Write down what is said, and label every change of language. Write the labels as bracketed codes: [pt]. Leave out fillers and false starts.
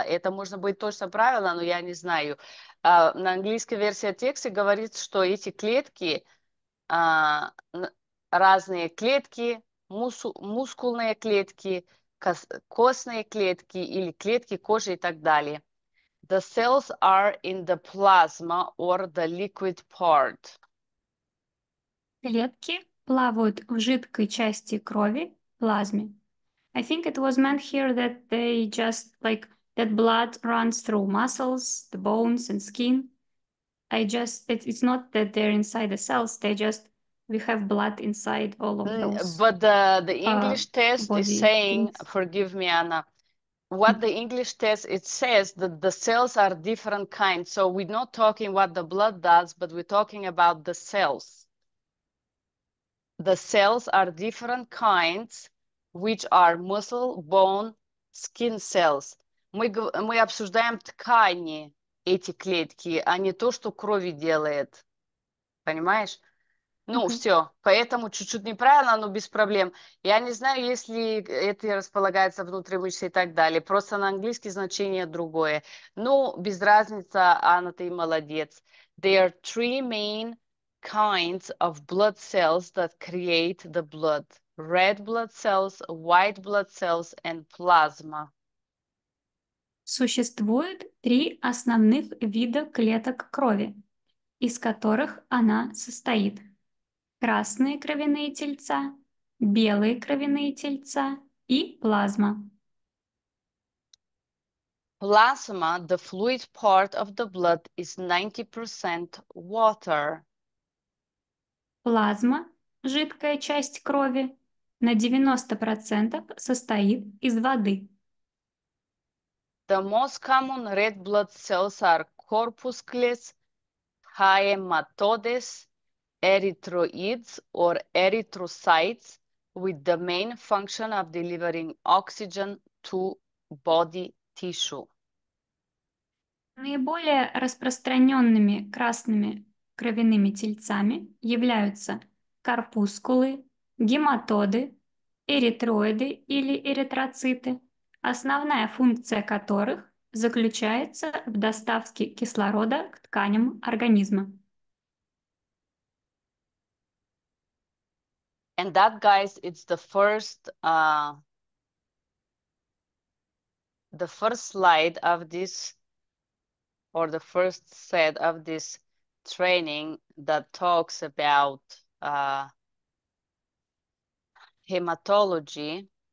[ru] Это можно быть точно правило, но я не знаю. На английской версии текста говорит, что эти клетки, разные клетки, мускульные клетки, костные клетки или клетки кожи и так далее. [en] The cells are in the plasma or the liquid part. [ru] Клетки плавают в жидкой части крови, плазме. [en] I think it was meant here that they just like that blood runs through muscles, the bones and skin. It's not that they're inside the cells, they just we have blood inside all of those. But the English test is saying, things. Forgive me, Anna. What the English test, it says that the cells are different kinds. So we're not talking what the blood does, but we're talking about the cells. The cells are different kinds, which are muscle, bone, skin cells. [ru] Мы обсуждаем ткани, эти клетки, а не то, что крови делает. Понимаешь? Ну, mm-hmm. все. Поэтому чуть-чуть неправильно, но без проблем. Я не знаю, если это располагается внутри мышцы и так далее. Просто на английский значение другое. Ну, без разницы, Анна, ты молодец. [en] There are three main kinds of blood cells that create the blood: red blood cells, white blood cells, and plasma. [ru] Существует три основных вида клеток крови, из которых она состоит: красные кровяные тельца, белые кровяные тельца и плазма. [en] Plasma, the fluid part of the blood, is 90% water. [ru] Плазма, жидкая часть крови, на 90% состоит из воды. [en] The most common red blood cells are corpuscles, hematodes, erythroids or erythrocytes, with the main function of delivering oxygen to body tissue. [ru] Наиболее распространенными красными кровяными тельцами являются корпускулы, гематоды, эритроиды или эритроциты, основная функция которых заключается в доставке кислорода к тканям организма. [en] And that, guys, it's the first slide of this, or the first set of this training that talks about hematology.